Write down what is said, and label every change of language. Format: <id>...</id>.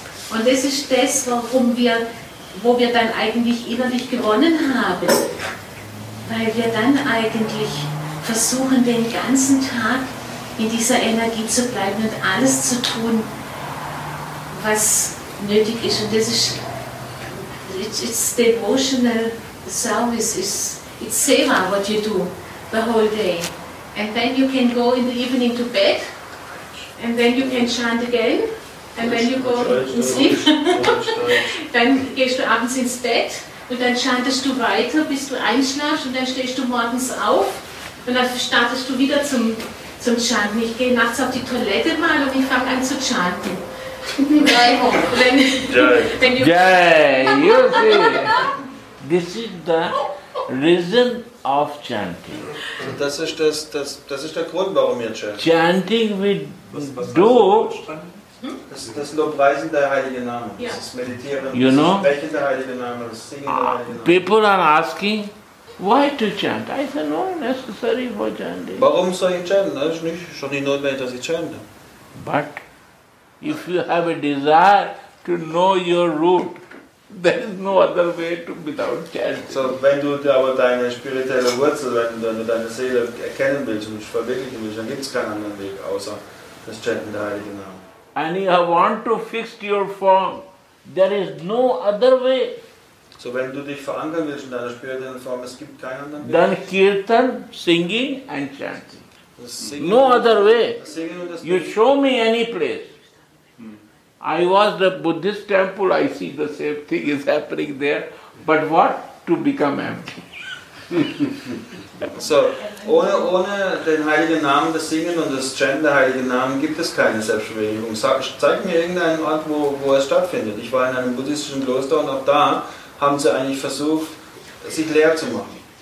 <de>Und das ist das, wo wir dann eigentlich innerlich gewonnen haben, weil wir dann eigentlich versuchen, den ganzen Tag in dieser Energie zu bleiben und alles zu tun, was nötig ist. Und das ist,</de> <en>it's devotional service, it's seva, what you do the whole day. And then you can go in the evening to bed, and then you can chant again, and then you go and sleep.</en> <de>Dann gehst du abends ins Bett und dann chantest du weiter, bis du einschlafst, und dann stehst du morgens auf und dann startest du wieder zum Chanten. Ich gehe nachts auf die Toilette mal und ich fange an zu chanten.</de> <en>Jai, you see, this is the reason of chanting.</en> <de>So das ist das ist der Grund, warum wir chanten.</de> <en>Chanting we do.</en> <de>Das Lobpreisen der Heiligen Namen. Yeah. Das Meditieren.</de> <en>You know.</en> <de>Sprechen der Heiligen Namen. Das Singen der Heiligen Namen.</de> <en>People are asking. Why to chant? I said, no, necessary for chanting.</en> <de>Warum soll ich chanten? Das ist nicht schon die Notwendigkeit, dass ich chante.</de> <en>But if you have a desire to know your root, there is no other way to without chanting.</en> <de>So wenn du aber deine spirituelle Wurzel, wenn du deine Seele erkennen willst und verwirklichen willst, dann gibt es keinen anderen Weg außer das Chanten der Heiligen Namen.</de> <en>And you want to fix your form, there is no other way.</en> <de>So wenn du dich verankern willst in deiner spirituellen Form, es gibt keinen anderen Weg.</de> <en>Dann Kirtan, singing and chanting. No other way. You show me any place. I was the Buddhist temple, I see the same thing is happening there. But what? To become empty.</en> <de>So, ohne den Heiligen Namen, das Singen und das Chanten der Heiligen Namen, gibt es keine Selbstverwirklichung. Zeig mir irgendeinen Ort, wo es stattfindet. Ich war in einem buddhistischen Kloster und auch da haben sie eigentlich versucht, sich leer zu machen.</de>